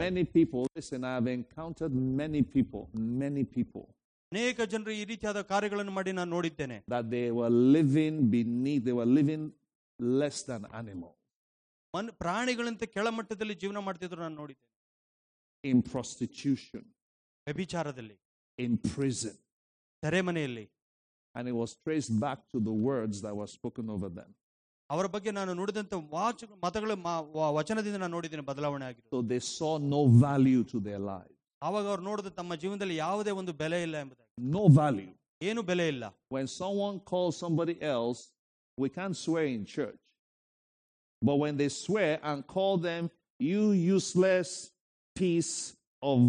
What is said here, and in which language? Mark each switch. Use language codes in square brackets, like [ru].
[en] Many people, listen, I have encountered many people, many people. [kn] ಅನೇಕ ಜನರು ಈ ರೀತಿಯಾದ ಕಾರ್ಯಗಳನ್ನು ಮಾಡಿ ನಾನು ನೋಡಿದ್ದೇನೆ. [en] That they were living beneath, they were living less than animals. [kn] ಪ್ರಾಣಿಗಳಂತೆ ಕೆಳಮಟ್ಟದಲ್ಲಿ ಜೀವನ ಮಾಡ್ತಿದ್ರು ನಾನು ನೋಡಿದ್ದೇನೆ. [en] In prostitution, [kn] ವ್ಯಭಿಚಾರದಲ್ಲಿ, [en] in prison, [kn] ಸೆರೆಮನೆಯಲ್ಲಿ, [en] and it was traced back to the words that were spoken over them. [kn] ಅವರ ಬಗ್ಗೆ ನಾನು ನೋಡಿದಂತ ಮತಗಳು ವಚನದಿಂದ ನಾನು ನೋಡಿದ್ದೇನೆ ಬದಲಾವಣೆ ಆಗಿದೆ. [en] So they saw no value to their lives. [kn] ಅವಾಗ ಅವರು ನೋಡಿದ ತಮ್ಮ ಜೀವನದಲ್ಲಿ ಯಾವುದೇ ಒಂದು ಬೆಲೆ ಇಲ್ಲ ಎಂಬುದಾಗಿ. [en] No value. [kn] ಏನು ಬೆಲೆ ಇಲ್ಲ. [en] When someone calls somebody else, we can't swear in church. But when they swear and call them, you useless piece of